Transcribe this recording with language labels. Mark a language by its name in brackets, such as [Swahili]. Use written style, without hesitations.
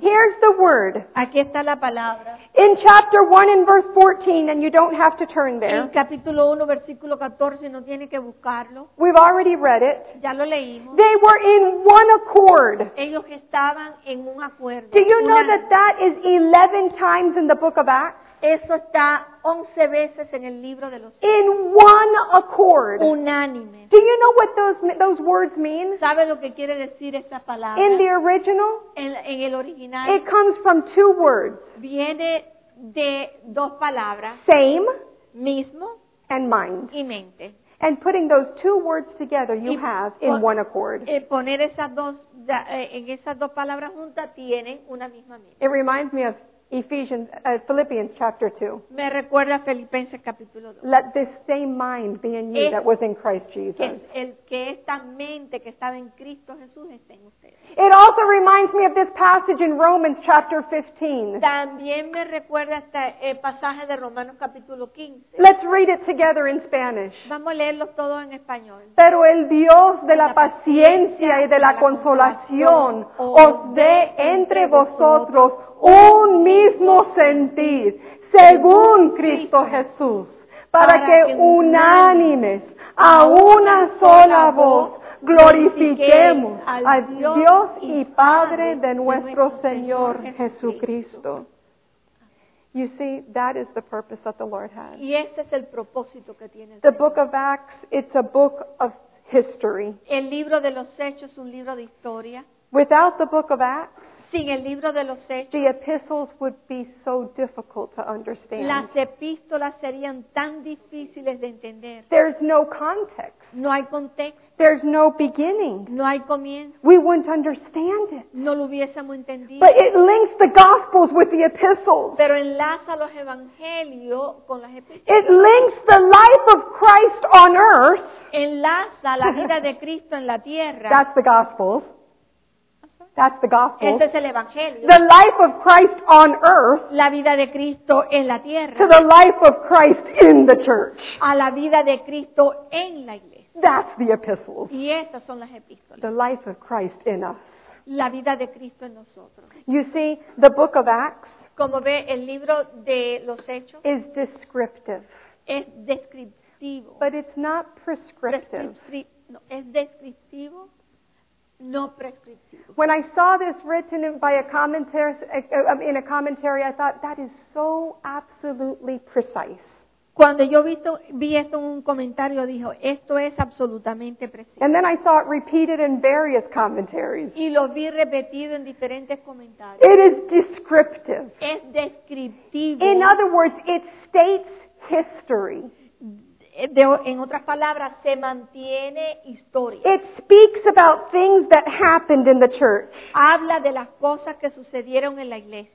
[English] Here's the word. [Spanish] Aquí está la palabra. [English] In chapter 1 and verse 14, and you don't have to turn there. [Spanish] En capítulo 1, versículo 14, no tiene que buscarlo. [English] We've already read it. [Spanish] Ya lo leímos. [English] They were in one accord. [Spanish] Ellos estaban en un acuerdo. [English] Do you know that is 11 times in the book of Acts? [Spanish] Eso está 11 veces en el libro de los [English] in one accord. [Spanish] Unánime. [English] Do you know what those words mean? [Spanish] ¿Sabe lo que quiere decir esa palabra? [English] In the original, [Spanish] en el original, [English] it comes from two words. [Spanish] Viene de dos palabras. [English] Same. [Spanish] Mismo. [English] And mind. [Spanish] Y mente. [English] And putting those two words together, you have in one accord. [Spanish] Poner esas dos, en esas dos palabras juntas, tienen una misma mente. [English] It reminds me of Philippians chapter 2. [Spanish] Me recuerda Filipenses capítulo 2. [English] Let this same mind be in you that was in Christ Jesus. [Spanish] Que esta mente que estaba en Cristo Jesús esté en ustedes. [English] It also reminds me of this passage in Romans chapter 15. [Spanish] También me recuerda este pasaje de Romanos capítulo 15. [English] Let's read it together in Spanish. [Spanish] Vamos a leerlo todo en español. Pero el Dios de la paciencia y de la consolación os dé entre vosotros un mismo sentir, según Cristo Jesús, para que unánimes, a una sola voz, glorifiquemos a Dios y Padre de nuestro Señor Jesucristo. [English] You see, that is the purpose that the Lord has. [Spanish] Y ese es el propósito que tiene. [English] The book of Acts, it's a book of history. [Spanish] El libro de los Hechos es un libro de historia. [English] Without the book of Acts, [Spanish] sin el libro de los Hechos, [English] the epistles would be so difficult to understand. [Spanish] Las epístolas serían tan difíciles de entender. [English] There's no context. [Spanish] No hay contexto. [English] There's no beginning. [Spanish] No hay comienzo. [English] We wouldn't understand it. [Spanish] No lo hubiésemos entendido. [English] But it links the gospels with the epistles. [Spanish] Pero enlaza los evangelios con las epístolas. [English] It links the life of Christ on earth. [Spanish] Enlaza la vida de Cristo en la tierra. [English] That's the gospels. That's the gospel. [Spanish] Ese es el evangelio. [English] The life of Christ on earth. [Spanish] La vida de Cristo en la tierra. [English] To the life of Christ in the church. [Spanish] A la vida de Cristo en la iglesia. [English] That's the epistles. [Spanish] Y esas son las epístolas. [English] The life of Christ in us. [Spanish] La vida de Cristo en nosotros. [English] You see, the book of Acts. [Spanish] Como ve, el libro de los Hechos. [English] Is descriptive. [Spanish] Es descriptivo. [English] But it's not prescriptive. [Spanish] Es descriptivo. No prescriptivo. [English] When I saw this written by a commentary, in a commentary, I thought that is so absolutely precise. [Spanish] Cuando yo vi esto en un comentario, dijo, esto es absolutamente preciso. [English] And then I saw it repeated in various commentaries. [Spanish] Y lo vi repetido en diferentes comentarios. [English] It is descriptive. [Spanish] Es descriptivo. [English] In other words, it states history. [Spanish] En otras palabras, se mantiene historia. [English] It speaks about things that happened in the church. [Spanish] Habla de las cosas que sucedieron en la iglesia.